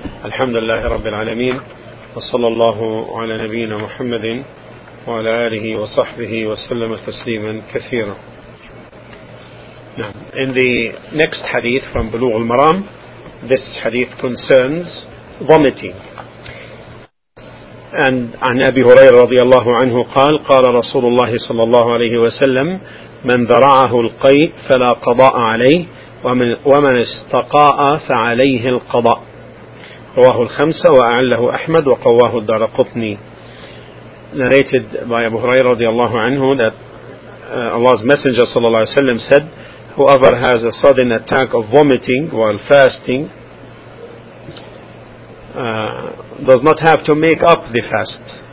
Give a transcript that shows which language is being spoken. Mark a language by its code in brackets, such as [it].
[ar] الحمد لله رب العالمين، وصلى الله على نبينا محمد وعلى آله وصحبه وسلم تسليما كثيرا. [en] Now, in the next hadith from Bulugh al-Maram, this hadith concerns vomiting. [ar] And عن أبي هريرة رضي الله عنه قال قال رسول الله صلى الله عليه وسلم من ذرعه القيء فلا قضاء عليه ومن استقاء فعليه القضاء. رواه الخمسة وأعله أحمد وقواه الدارقطني. [en] Narrated by Abu Hurairah radiallahu anhu that Allah's Messenger sallallahu alaihi wasallam said, whoever has a sudden attack of vomiting while fasting does not have to make up the fast.